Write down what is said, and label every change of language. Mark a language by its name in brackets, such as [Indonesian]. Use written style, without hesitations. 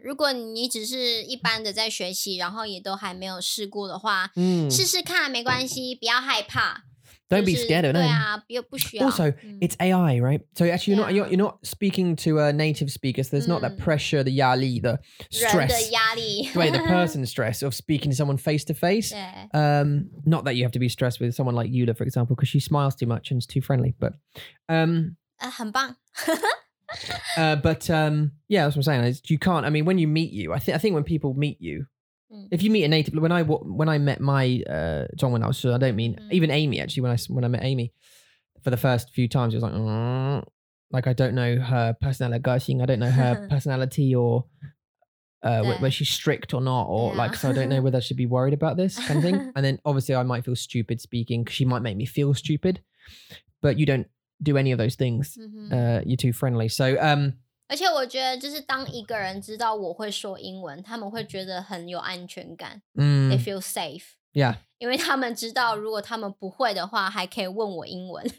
[Chinese] 如果你只是一般的在学习，然后也都还没有试过的话，试试看没关系，不要害怕。 [English] Don't be scared of it. [Chinese] 对啊，不需要。 [English] Also, it's AI, right? So actually, you're not speaking to a native speaker. So there's not that pressure, the 压力, the stress. [Chinese] 人的压力。 [English] 对, the person stress of speaking to someone face to face. Not that you have to be stressed with someone like Yula, for example, because she smiles too much and is too friendly. But [Chinese] 很棒。 [English] yeah, that's what I'm saying. You can't. I mean, when you meet you, I think when people meet you, if you meet a native, when I met my Zhongwen Laoshi, I don't mean even Amy. Actually, when I met Amy for the first few times, it was like I don't know her personality, 个性, I don't know her personality or whether she's strict or not, or like, so I don't know whether I should be worried about this kind of thing. And then obviously, I might feel stupid speaking because she might make me feel stupid, but you don't. Do any of those things, you're too friendly. So, [Chinese] 而且我觉得就是当一个人知道我会说英文，他们会觉得很有安全感。 [English] They feel safe. Yeah. [Chinese] 因为他们知道如果他们不会的话，还可以问我英文。